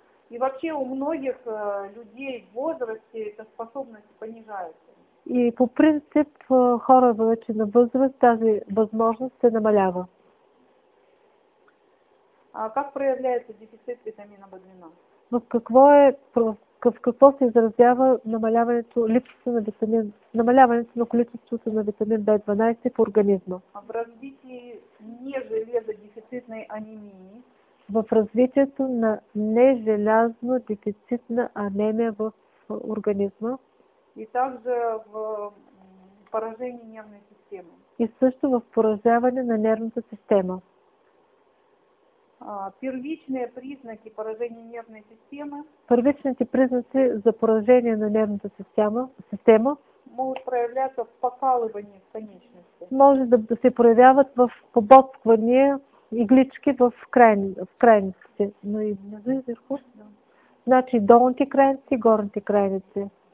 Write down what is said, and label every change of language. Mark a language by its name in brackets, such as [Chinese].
[Russian] И вообще у многих людей в возрасте эта способность понижается. [Bulgarian] И по принцип хора вече на възраст тази възможност се намалява. [Russian] А как проявляется дефицит витамина B12? [Bulgarian] Но в какво се изразява намаляването, липсата на витамин, намаляването на количеството на витамин B12 в организма? [Russian] В развитии нежелезодефицитной анемии. [Bulgarian] В развитието на нежелязно дефицитна анемия в организма. [Russian] И также в поражении нервной системы. [Bulgarian] И също в поражаване на нервната система. [Russian] Первичные признаки поражения нервной системы. [Bulgarian] Първичните признаци за поражение на нервната система [Russian] могут проявляться в покалывании в конечности. [Bulgarian] Може да се проявяват в побоцквания иглички в крайниците. [Russian] Но и внизу и вверху. Да. [Bulgarian] Значи долните крайници и горните крайници.